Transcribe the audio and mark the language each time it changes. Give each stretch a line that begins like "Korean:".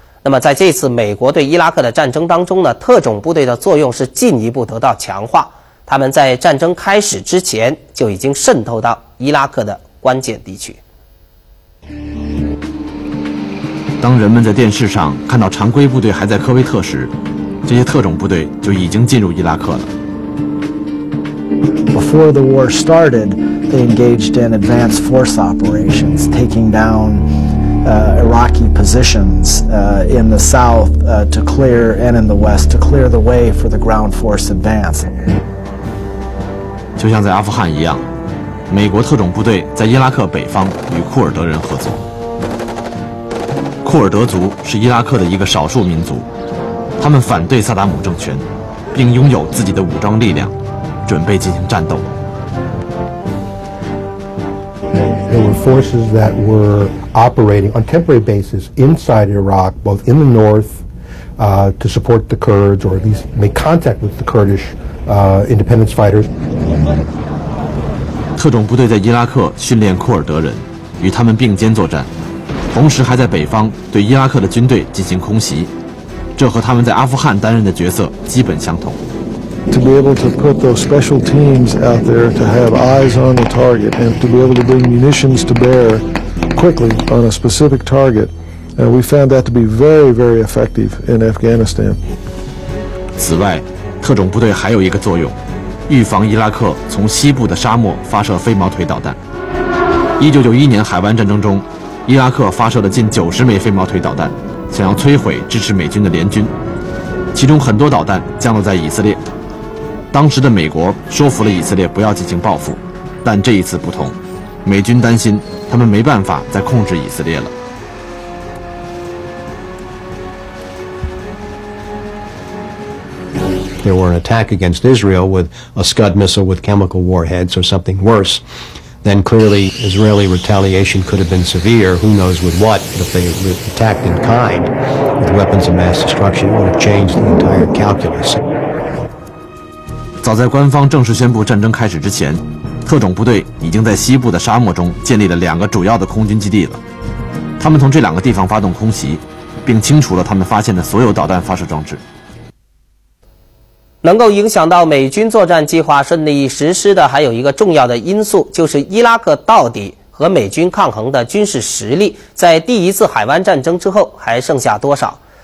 Chinese: 那么在这次美国对伊拉克的战争当中呢，特种部队的作用是进一步得到强化，他们在战争开始之前就已经渗透到伊拉克的关键地区。当人们在电视上看到常规部队还在科威特时，这些特种部队就已经进入伊拉克了。
English: Before the war started, they engaged in advanced force operations, taking down Iraqi positions in the south to clear and in the west to clear the way for the ground force advance.
Chinese: 就像在阿富汗一样，美国特种部队在伊拉克北方与库尔德人合作。库尔德族是伊拉克的一个少数民族，他们反对萨达姆政权，并拥有自己的武装力量，准备进行战斗。
English: There were forces that were operating on temporary basis inside Iraq, both in the north, to support the Kurds or at least make contact with the Kurdish, independence fighters.
Chinese: 特种部队在伊拉克训练库尔德人，与他们并肩作战，同时还在北方对伊拉克的军队进行空袭，这和他们在阿富汗担任的角色基本相同。
English: To be able to put those special teams out there to have eyes on the target and to be able to bring munitions to bear quickly on a specific target, and we found that to be very, very effective in Afghanistan.
Chinese: 此外，特种部队还有一个作用，预防伊拉克从西部的沙漠发射飞毛腿导弹。 1991年海湾战争中，伊拉克发射了近90枚飞毛腿导弹，想要摧毁支持美军的联军，其中很多导弹降落在以色列。当时的美国说服了以色列不要进行报复，但这一次不同，美军担心他们没办法再控制以色列了。
English: There were an attack against Israel with a Scud missile with chemical warheads or something worse. Then clearly Israeli retaliation could have been severe. Who knows with what? But if they attacked in kind with weapons of mass destruction, it would have changed the entire calculus.
Chinese: 早在官方正式宣布战争开始之前，特种部队已经在西部的沙漠中建立了两个主要的空军基地了。他们从这两个地方发动空袭，并清除了他们发现的所有导弹发射装置。能够影响到美军作战计划顺利实施的还有一个重要的因素，就是伊拉克到底和美军抗衡的军事实力在第一次海湾战争之后还剩下多少。